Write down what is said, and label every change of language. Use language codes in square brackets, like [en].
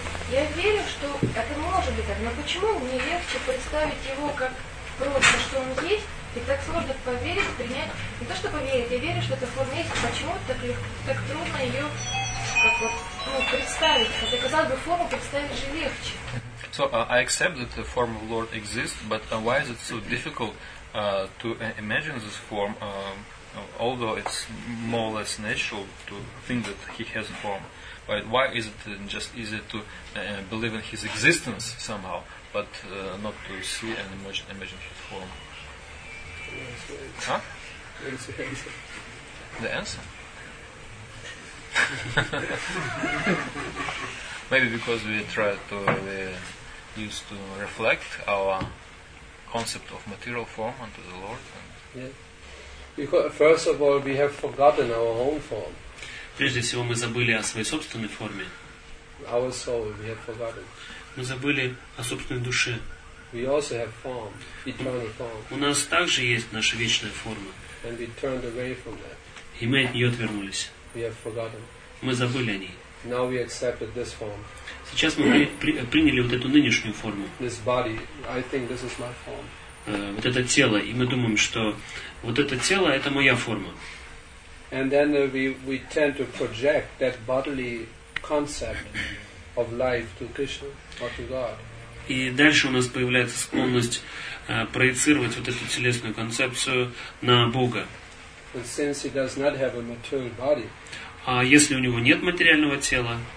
[ru] Я верю, что это может быть так, но почему мне легче представить его как просто, что он есть, и так сложно поверить, принять, не то что поверить, я верю, что эта форма есть, почему так легко, так трудно ее как вот, ну, представить, хотя, казалось бы, форму представить же легче. [en] So I accept that the form of Lord exists, but why is it so difficult to imagine this form? Although it's more or less natural to think that he has a form, but why is it just easy to believe in his existence somehow, but not to see and imagine his form? Huh? The answer? Maybe because we try to use to reflect our concept of material form onto the Lord. And yeah. Because first of all, we have forgotten our own form. [ru] Прежде всего, мы забыли о своей собственной форме. [en] Our soul, we have forgotten. [ru] Мы забыли о собственной душе. [en] We also have form, eternal form. [ru] У нас также есть наша вечная форма. [en] And we turned away from that. [ru] И мы от нее отвернулись. [en] We have forgotten. [ru] Мы забыли о ней. [en] Now we accepted this form. [ru] Сейчас мы приняли вот эту нынешнюю форму. [en] This body, I think this is my form. [ru] Вот это тело, и мы думаем, что вот это тело – это моя форма. [en] And then we tend to project that bodily concept of life to Krishna or to God. [ru] И дальше у нас появляется склонность проецировать вот эту телесную концепцию на Бога. [en] But since he does not have a material body, [ru] а если у него нет материального тела,